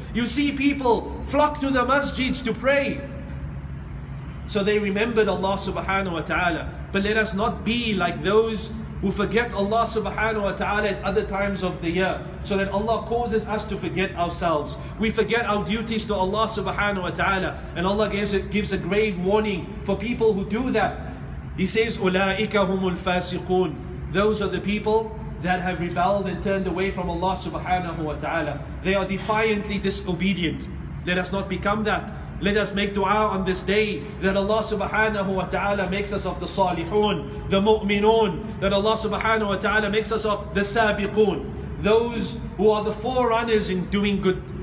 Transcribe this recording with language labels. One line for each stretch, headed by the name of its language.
English: You see people flock to the masjids to pray. So they remembered Allah subhanahu wa ta'ala. But let us not be like those who forget Allah subhanahu wa ta'ala at other times of the year. So that Allah causes us to forget ourselves. We forget our duties to Allah subhanahu wa ta'ala. And Allah gives a grave warning for people who do that. He says,
Arabic: أُولَٰئِكَ هُمُ الْفَاسِقُونَ.
English: Those are the people that have rebelled and turned away from Allah subhanahu wa ta'ala. They are defiantly disobedient. Let us not become that. Let us make dua on this day that Allah subhanahu wa ta'ala makes us of the salihun, the mu'minun, that Allah subhanahu wa ta'ala makes us of the sabiqun, those who are the forerunners in doing good.